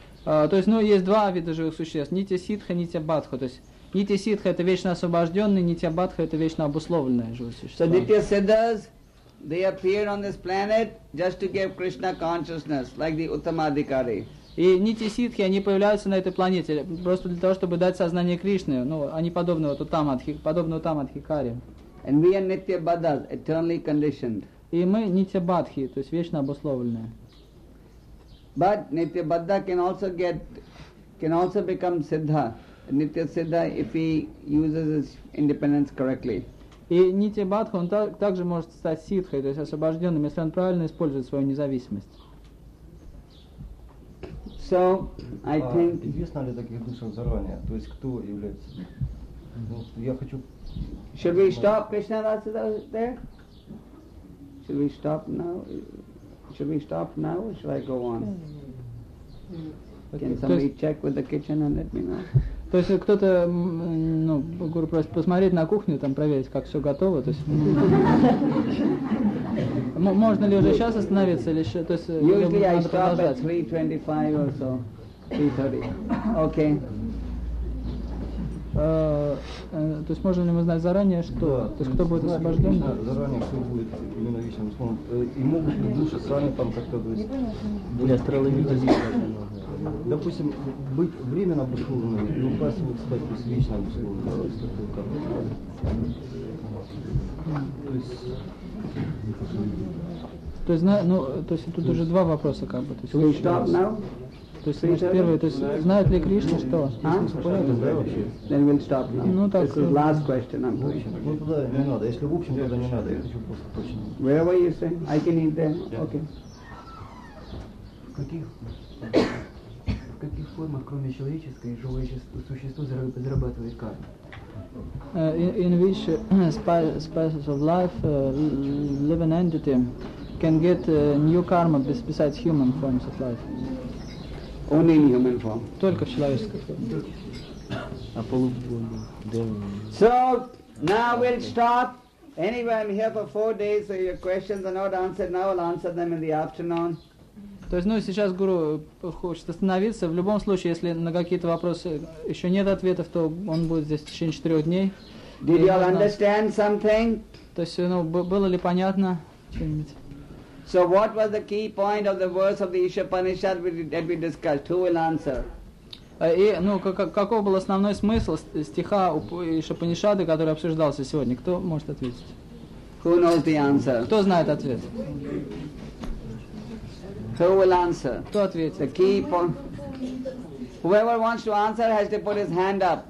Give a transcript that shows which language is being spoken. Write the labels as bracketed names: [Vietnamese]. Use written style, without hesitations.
[Russian] То есть, ну, есть два вида живых существ, Нитья Сиддха, Нитья Баддха. То есть, Нитья Сиддха – это вечно освобожденный, Нитья Баддха – это вечно обусловленное живое существо. [English] So, Nitya Siddhas, they appear on this planet just to give Krishna consciousness, like the Uttama Adhikari. [Russian] И нити ситхи, они появляются на этой планете просто для того, чтобы дать сознание Кришне. Ну, они подобны Утамадхикаре. [English] And we are Nitya Baddhas, eternally conditioned. [Russian] И мы Нитья Баддхи, то есть вечно обусловленные. [English] But Nitya Baddha can also become Siddha. Nitya Siddha if he uses his independence correctly. [Russian] И Нитья Бадха, он также может стать ситхой, то есть освобожденным, если он правильно использует свою независимость. [English] So, I think... [Russian] А известно ли таких душ заранее? То есть кто является? Ну, я хочу... [English] Should we stop, Krishna Das there? Should we stop now? Should we stop now or should I go on? Can somebody check with the kitchen and let me know? [Russian] То есть кто-то, ну, гуру просит посмотреть на кухню, там проверить, как все готово, то есть, ну, можно ли уже сейчас остановиться, или еще, то есть, [English] usually [Russian] надо продолжать. [English] Usually I stop at 3:25 or so, 3:30. Okay. [Russian] То есть можно ли мы знать заранее, что, то есть кто будет освобожден? Заранее, кто будет именно вечным условием, и могут ли души сами там как-то, то есть, будет астрологический. Допустим, быть временно обусловленным и упасть, вот, стать вечно обусловленным, то есть, как, то есть... То есть, ну, то есть, тут уже два вопроса, как бы, то есть... [English] Can we stop now? [Russian] То есть, может, первый, то есть, знает ли Кришна, что? [English] А? Then we'll stop now. [Russian] Ну, так... [English] This is the last question I'm doing. [Russian] Ну, туда не надо, если в общем, туда не надо, я хочу просто точно... [English] Wherever you say, I can eat there, okay. [Russian] В каких формах, кроме человеческой, живое существо зарабатывает карму? [English] In which spaces of life living entity can get new karma besides human forms of life? Only in human form. [Russian] Только в человеческой форме. [English] So, now we'll stop. Anyway, I'm here for 4 days, so your questions are not answered. Now I'll answer them in the afternoon. [Russian] То есть, ну, сейчас гуру хочет остановиться. В любом случае, если на какие-то вопросы еще нет ответов, то он будет здесь в течение 4 дней. [English] Did you all understand something? [Russian] То есть, ну, было ли понятно что-нибудь? [English] So what was the key point of the verse of the Ishapanishad that we discussed? Who will answer? [Russian] И, ну, каков был основной смысл стиха Ишапанишады, который обсуждался сегодня? Кто может ответить? [English] Who knows the answer? [Russian] Кто знает ответ? [English] Who will answer? [Russian] Кто ответит? [English] The key point. Whoever wants to answer has to put his hand up.